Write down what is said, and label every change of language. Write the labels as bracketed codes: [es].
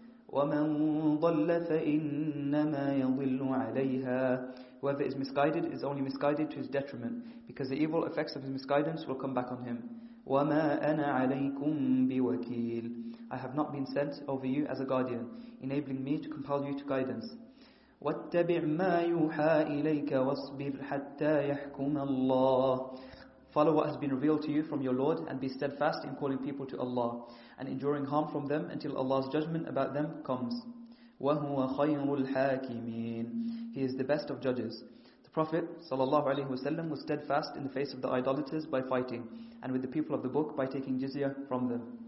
[ar] وَمَنْ ضَلَّ فَإِنَّمَا يَضِلُّ عَلَيْهَا. [en] Whoever is misguided is only misguided to his detriment, because the evil effects of his misguidance will come back on him. [ar] وَمَا أَنَا عَلَيْكُمْ بِوَكِيلٍ. [en] I have not been sent over you as a guardian, enabling me to compel you to guidance. [ar] واتبع ما يوحى إليك واصبر حتى يحكم الله. [en] Follow what has been revealed to you from your Lord and be steadfast in calling people to Allah and enduring harm from them until Allah's judgment about them comes. [ar] وهو خير الحاكمين. [en] He is the best of judges. The Prophet [ar] sallallahu alaihi wasallam [en] was steadfast in the face of the idolaters by fighting and with the people of the book by taking jizya from them.